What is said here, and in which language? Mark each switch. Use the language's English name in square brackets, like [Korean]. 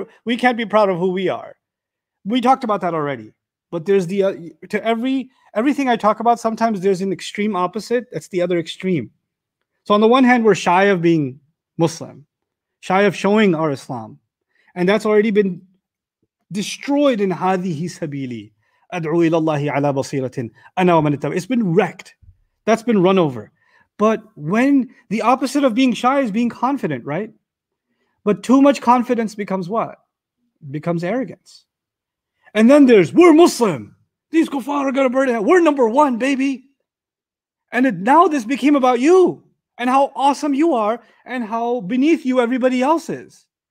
[English] We can't be proud of who we are. We talked about that already, but there's everything I talk about, sometimes there's an extreme opposite. That's the other extreme. So on the one hand, we're shy of being Muslim, shy of showing our Islam. And that's already been destroyed in [Arabic] هذه سبيلي أدعو إلى الله على بصيرة أنا ومن اتبع. [English] It's been wrecked. That's been run over. But when the opposite of being shy is being confident, right? But too much confidence becomes what? Becomes arrogance. And then there's, we're Muslim. These kuffar are going to burn it. We're number one, baby. And it, now this became about you and how awesome you are and how beneath you everybody else is.